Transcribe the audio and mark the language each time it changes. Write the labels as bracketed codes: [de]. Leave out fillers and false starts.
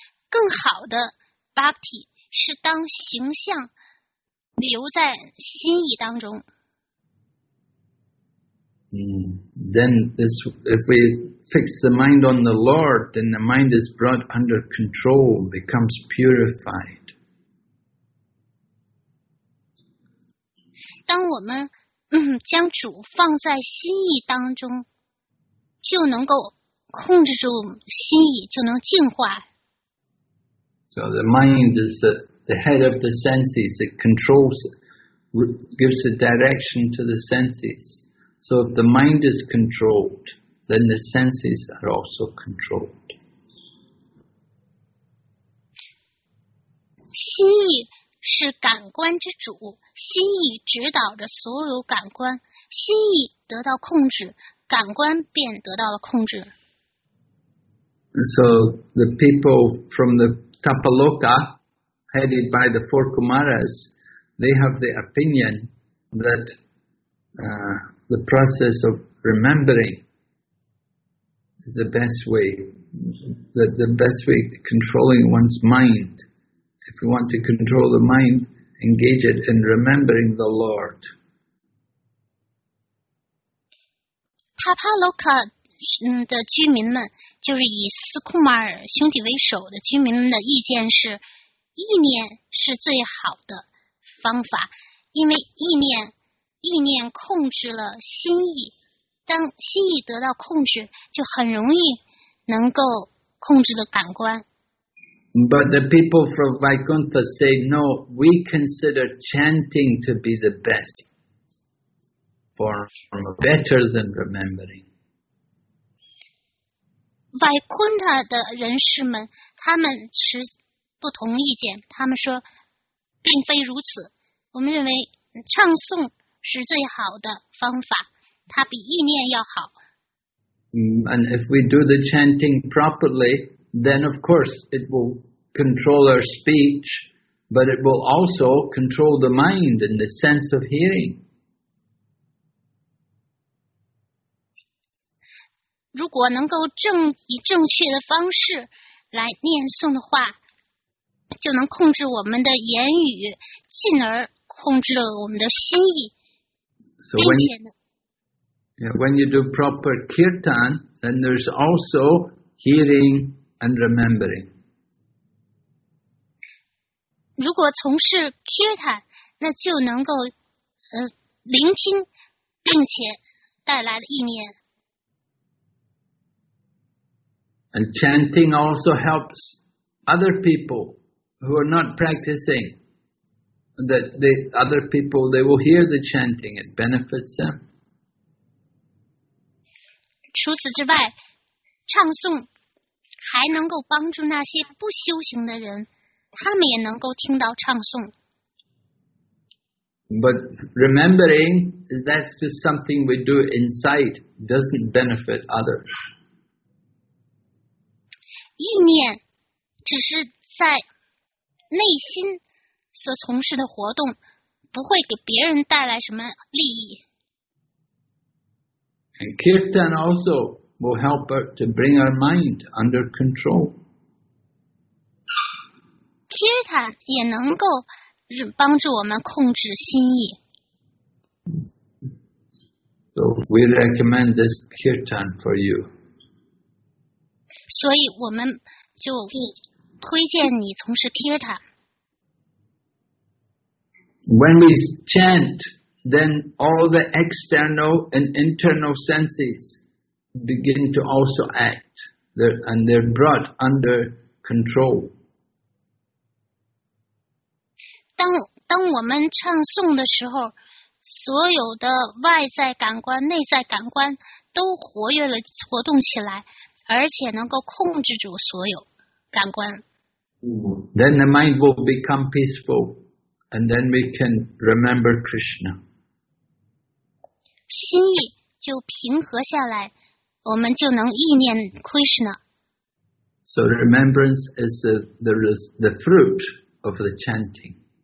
[zh] 更好的 bhakti 是当形象留在心意当中。 [en] Then this, if we fix the mind on the Lord, then the mind is brought under control, becomes purified. [zh] 当我们将主放在心意当中，就能够控制住心意，就能净化。 [en] So the mind is the head of the senses. It controls, gives a direction to the senses. So if the mind is controlled, then the senses are also controlled. [zh] 心意是感官之主，心意指导着所有感官，心意得到控制，感官便得到了控制。 [en] So the people from the Tapaloka, headed by the four Kumaras, they have the opinion that the process of remembering is the best way. The best way to controlling one's mind. If you want to control the mind, engage it in remembering the Lord. [zh] Tapaloka 的居民们，就是以斯库马尔兄弟为首的居民们的意见是，意念是最好的方法，因为意念控制了心意，当心意得到控制，就很容易能够控制了感官。 [en] But the people from Vaikuntha say no. We consider chanting to be the best form, better than remembering. [zh] Vaikuntha 的人士们，他们持不同意见。他们说，并非如此。我们认为唱诵是最好的方法，它比意念要好。 [en] And if we do the chanting properly, then of course it will control our speech, but it will also control the mind and the sense of hearing. [zh] 如果能够正以正确的方式来念诵的话，就能控制我们的言语，进而控制了我们的心意。 [en] When you do proper kirtan, then there's also hearing and remembering. [zh] 如果从事 kirtan, 那就能够聆听并且带来了意念。 [en] And chanting also helps other people who are not practicing, that the other people, they will hear the chanting, it benefits them. [zh] 除此之外，唱诵还能够帮助那些不修行的人，他们也能够听到唱诵。 [en] But remembering, that's just something we do inside, doesn't benefit others. [zh] 意念只是在内心所从事的活动，不会给别人带来什么利益。 [en] And kirtan also will help us to bring our mind under control. [zh] Kirtan 也能够帮助我们控制心意。 [en] So we recommend this kirtan for you. [zh] 所以我们就推荐你从事 kirtan。 [en] When we chant, then all the external and internal senses begin to also act, and they're brought under control. [zh] 当我们唱诵的时候，所有的外在感官、内在感官都活跃了，活动起来，而且能够控制住所有感官。 [en] Then the mind will become peaceful, and then we can remember Krishna. [zh] 心意就平和下来，我们就能意念 Krishna。 [en] So remembrance is the fruit of the chanting.